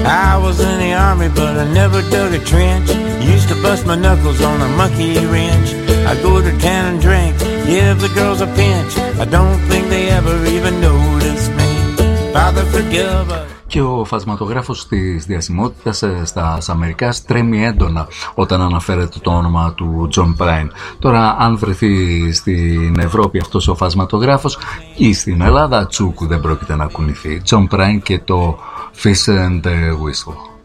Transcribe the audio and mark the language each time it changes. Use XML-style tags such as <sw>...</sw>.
<en>I was in the army, but I never dug a trench. Used to bust my knuckles on a monkey wrench. I go to town and drink, give the girls a pinch. I don't think they ever even noticed me. Father, forgive us.</en> <el>Και ο φασματογράφος της διασημότητας στα Αμερικά τρέμει έντονα όταν αναφέρεται το όνομα του John Prine. Τώρα αν βρεθεί στην Ευρώπη αυτός ο φασματογράφος ή στην Ελλάδα, τσούκου δεν πρόκειται να κουνηθεί. John Prine και το Fish and Whistle.</el>